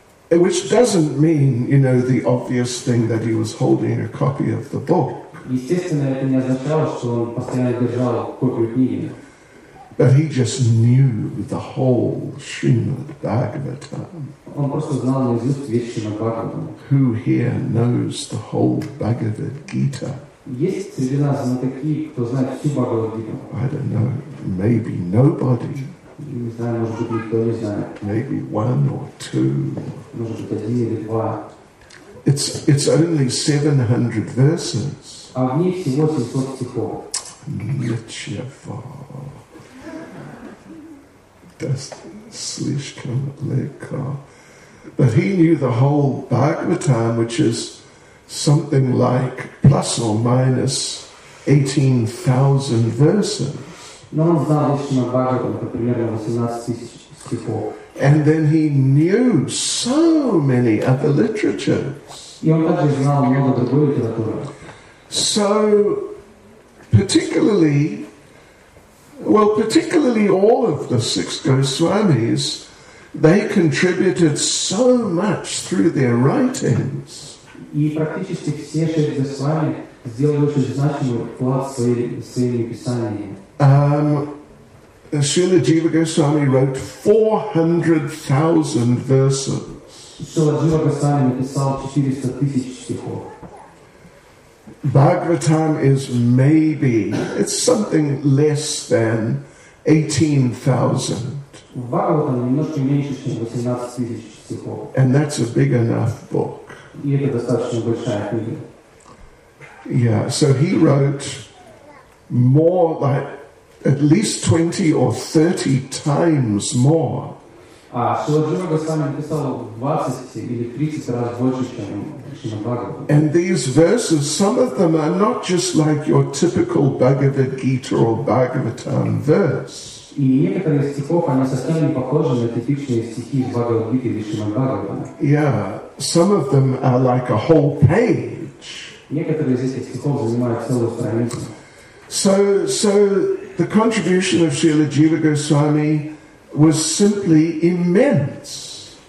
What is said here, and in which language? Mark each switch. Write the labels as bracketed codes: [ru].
[en] Which doesn't mean, you know, the obvious thing that he was holding a copy of the book. [ru] Естественно, это не означало, что он постоянно держал копию книги. [en] that he just knew the whole Srimad Bhagavatam. [ru] Он просто знал наизусть весь Шримад Бхагаватам. [en] Who here knows the whole Bhagavad Gita? [ru] Есть среди нас на такие, кто знает всю Бхагавад-гиту? [en] I don't know. Maybe nobody. [ru] Не знаю, может быть, никто не знает. [en] Maybe one or two. [ru] Может быть, один или два. [en] It's only 700 verses. [ru] А в ней всего 700 стихов. Ничего. Das слишком легко. [en] But he knew the whole Bhagavatam, which is something like plus or minus 18,000 verses. [ru] Но он знал Шримад Бхагаватам, это примерно 18,000 стихов. [en] And then he knew so many other literatures. [ru] И он также знал много другой литературы. [en] So, particularly, well, particularly all of the six Goswamis, they contributed so much through their writings. [ru] И практически все шесть Госвами сделали очень значимый вклад своими писаниями. [en] Srila Jiva Goswami wrote 400,000 verses. [ru] Srila Jiva Goswami написал 400,000 стихов. [en] Bhagavatam is maybe, it's something less than 18,000. [ru] Bhagavatam немножко меньше, чем 18,000 стихов. [en] And that's a big enough book. [ru] И это достаточно большая книга. [en] Yeah, so he wrote more, like, at least 20 or 30 times more. [ru] А Srila Jiva Goswami написал 20 или 30 раз больше, чем [en] And these verses, some of them are not just like your typical Bhagavad Gita or Bhagavatam verse. [ru] И некоторые стихов, они совсем не похожи на типичные стихи из Бхагавад Гиты или Шримад Бхагаватам. [en] Yeah, some of them are like a whole page. [ru] Некоторые из этих стихов занимают целую страницу. [en] So the contribution of Srila Jiva Goswami was simply immense.